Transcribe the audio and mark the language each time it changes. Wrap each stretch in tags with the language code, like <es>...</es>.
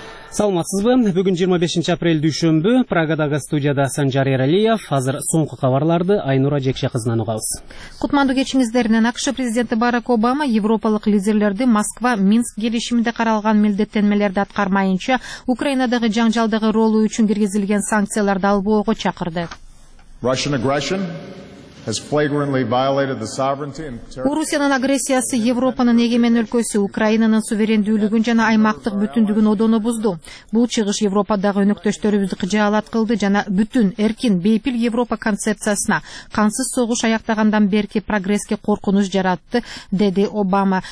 <ky>Саламатсызбы? Бүгүн 25 апрель дүйшөмбү. Прагадагы студияда Санжар Эралиев. Азыр соңку кабарларды Айнура Жекше кызынан угабыз. Кутмандуу кечиңиздерине. АКШ президенти Барак Обама европалык лидерлерди Москва Минск келишимде каралган милдеттенмелерди аткармайынча Украинадагы жаңжалдагы ролу үчүн киргизилген санкцияларды албоого чакырды.</ky> <en>Russian aggression has flagrantly violated the sovereignty and territory.</en> <ky>Орусиянын агрессиясы Европанын эгемен өлкөсү, Украинанын суверендүүлүгүн жана аймактык бүтүндүгүн одоно бузду. Бул чыгыш Европадагы өнөктөштөрүбүздү кыжаалат кылды жана бүтүн эркин, бейпил Европа концепциясына кансыз согуш аяктагандан берки прогресске коркунуч жаратты, деди Обама.</ky>